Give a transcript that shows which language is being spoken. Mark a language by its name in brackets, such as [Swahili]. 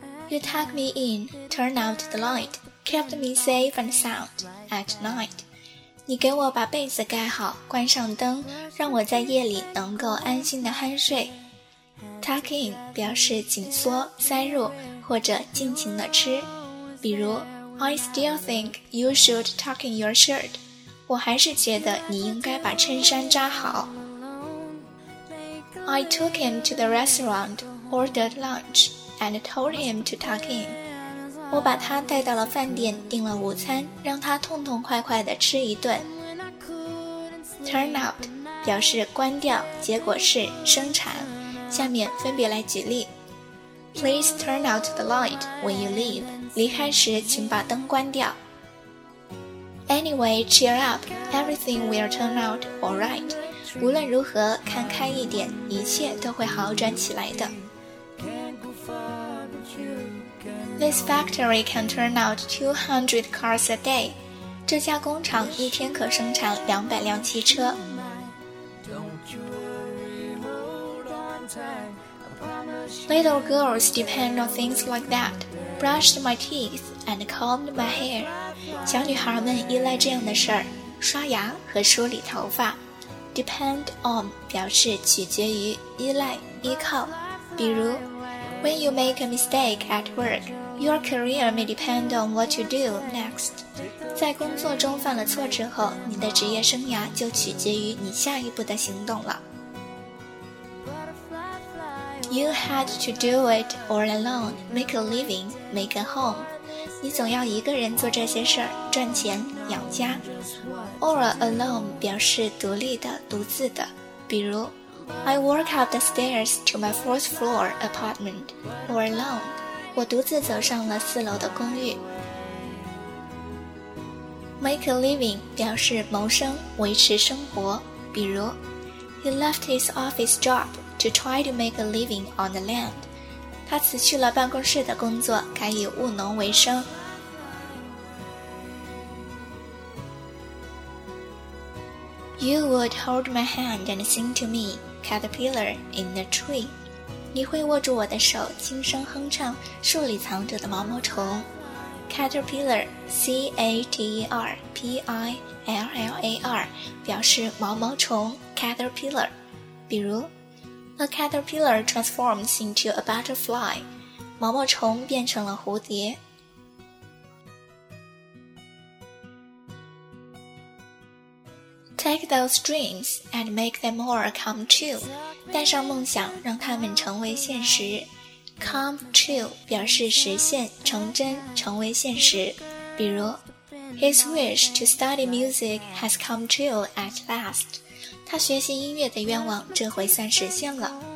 [English] You tucked me in, turned out the light, kept me safe and sound at night. [Chinese] 你给我把被子盖好，关上灯，让我在夜里能够安心的酣睡。 tucking 表示紧缩、塞入或者尽情的吃，比如 [English] I still think you should tuck in your shirt， [Chinese] 我还是觉得你应该把衬衫扎好。 [English] I took him to the restaurant, ordered lunch, and told him to tuck in. [Chinese] 我把他带到了饭店，订了午餐，让他痛痛快快地吃一顿。 Turn out 表示关掉，结果是生产。下面分别来举例。 [English] Please turn out the light when you leave. [Chinese] 离开时请把灯关掉。 [English] Anyway, cheer up. Everything will turn out all right. [Chinese] 无论如何，看开一点，一切都会好转起来的。 [English] This factory can turn out 200 cars a day. [Chinese] 这家工厂一天可生产200辆汽车。 [English] Little girls depend on things like that. Brushed my teeth and combed my hair. [Chinese] 小女孩们依赖这样的事儿，刷牙和梳理头发。 [English] Depend on [Chinese] 表示取决于、依赖、依靠，比如 [English] When you make a mistake at work, your career may depend on what you do next. [Chinese] 在工作中犯了错之后，你的职业生涯就取决于你下一步的行动了。 [English] You had to do it all alone, make a living, make a home. [Chinese] 你总要一个人做这些事儿，赚钱养家。 [English] Or alone [Chinese] 表示独立的、独自的，比如 [English] I walk up the stairs to my fourth floor apartment or alone [Chinese] 我独自走上了四楼的公寓。 [English] Make a living [Chinese] 表示谋生、维持生活，比如 [English] He left his office job to try to make a living on the land [Chinese] 他辞去了办公室的工作，改以务农为生。 [English] You would hold my hand and sing to me, caterpillar in the tree. [Chinese] 你会握住我的手，轻声哼唱树里藏着的毛毛虫。 Caterpillar, C-A-T-E-R-P-I-L-L-A-R, 表示毛毛虫 caterpillar. [English] 比如 A caterpillar transforms into a butterfly. [Chinese] 毛毛虫变成了蝴蝶。 [English] Take those dreams and make them all come true. [Chinese] 带上梦想，让它们成为现实。 Come true 表示实现、成真、成为现实。 [English] 比如 ，His wish to study music has come true at last. [Chinese] 他学习音乐的愿望这回算实现了。